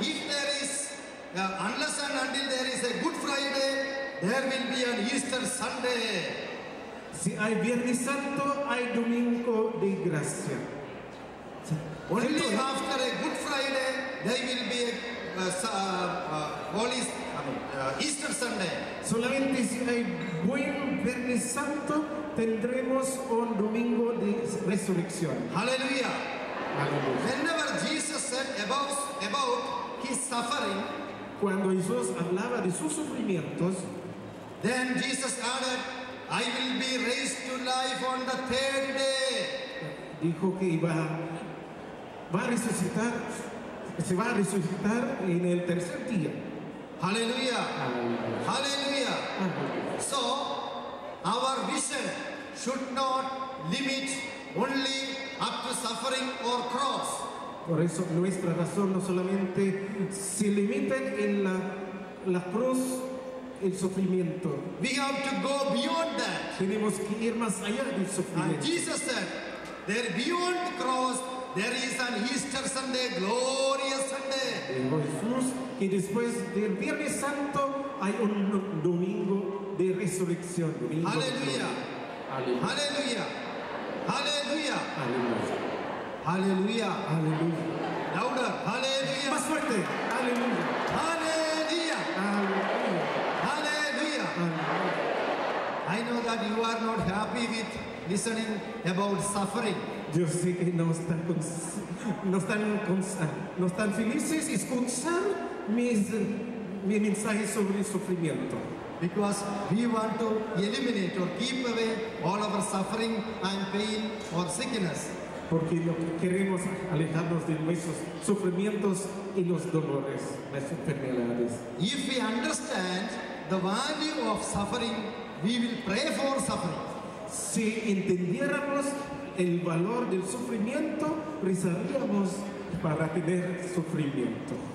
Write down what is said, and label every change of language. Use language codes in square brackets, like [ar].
[en] If there is, unless and until there is a Good Friday, there will be an Easter Sunday. [es] Si hay Viernes Santo, hay Domingo de Gracia. [en] Only after a Good Friday, there will be Easter Sunday. [es] Solamente si hay buen Viernes Santo, tendremos un Domingo de Resurrección. [en] Hallelujah. Hallelujah. Whenever Jesus said about his suffering, [es] cuando Jesús hablaba de sus sufrimientos, [en] then Jesus added, I will be raised to life on the third day. [es] Dijo que se va a resucitar en el tercer día. [en] Hallelujah. Hallelujah. Hallelujah. So our vision should not limit only up to suffering or cross. [es] Por eso nuestra razón no solamente se limita en la cruz, el sufrimiento. [en] We have to go beyond that. [es] Tenemos que ir más allá del sufrimiento. [en] And Jesus said, there beyond the cross, there is an Easter Sunday, glorious Sunday. [es] Dijo Jesús que después del Viernes Santo hay un domingo de resurrección. resurrección, domingo. Aleluya. Aleluya. Aleluya. Aleluya. Aleluya. Aleluya. Laura, aleluya. Más fuerte. Aleluya. Aleluya. Aleluya. Aleluya. [en] I know that you are not happy with listening about suffering. [es] Yo sé que no están felices escuchando mi mensaje sobre sufrimiento. [en] Because we want to eliminate or keep away all of our suffering and pain or sickness. [es] Porque lo que queremos alejarnos de nuestros sufrimientos y los dolores, las enfermedades. [en] If we understand the value of suffering, we will pray for suffering. [es] Si entendiéramos el valor del sufrimiento, rezaríamos para tener sufrimiento.